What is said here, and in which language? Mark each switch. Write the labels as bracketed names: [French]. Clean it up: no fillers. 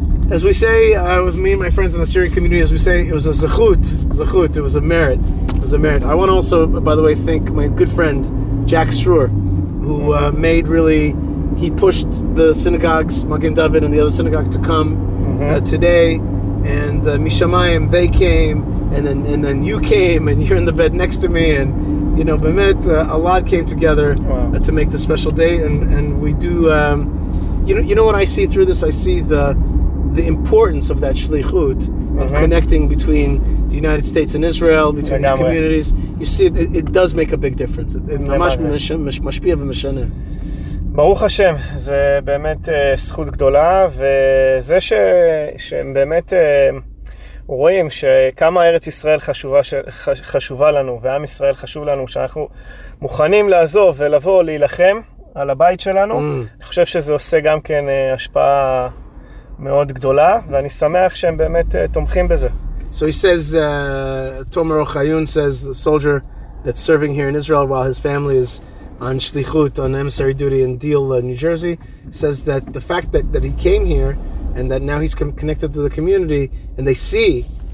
[English] As we say, with me and my friends in the Syrian community, as we say, it was a zechut, it was a merit, I want to also, by the way, thank my good friend, Jack Schrauger, who he pushed the synagogues, Magen David and the other synagogue, to come today, and Mishamayim, they came, and then you came, and you're in the bed next to me, and, you know, Bemet, a lot came together to make this special day, and we do... You know what I see through this? I see the importance of that shlichut, mm-hmm. of connecting between the United States and Israel, between these communities. You see, it does make a big difference. [Hebrew] It ממש משפיע ומשנה. ברוך השם, זה באמת זכות גדולה, וזה שהם באמת רואים שכמה ארץ ישראל חשובה לנו, ועם ישראל חשוב לנו, שאנחנו מוכנים לעזוב ולבוא להילחם על הבית שלנו, אני חושב שזה עושה גם כן השפעה מאוד גדולה, ואני שמח שהם באמת תומכים בזה. [English] So he says, Tomer Ohayon says, the soldier that's serving here in Israel while his family is on shlichut, on emissary duty in Deal, New Jersey, says that the fact that he came here and that now he's connected to the community and they see